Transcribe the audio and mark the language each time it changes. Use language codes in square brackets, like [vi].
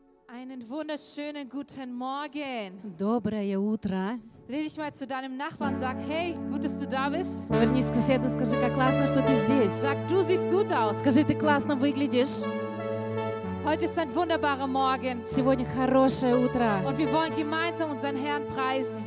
[de] Einen wunderschönen guten Morgen. [ru] Доброе утро. [de] Dreh dich mal zu deinem Nachbarn, sag, hey, gut, dass du da bist. [ru] Повернись к соседу, скажи, как классно, что ты здесь. [de] Sag, du siehst gut aus. [ru] Скажи, ты классно выглядишь. [de] Heute ist ein wunderbarer Morgen. [ru] Сегодня хорошее утро. [de] Und wir wollen gemeinsam unseren Herrn preisen.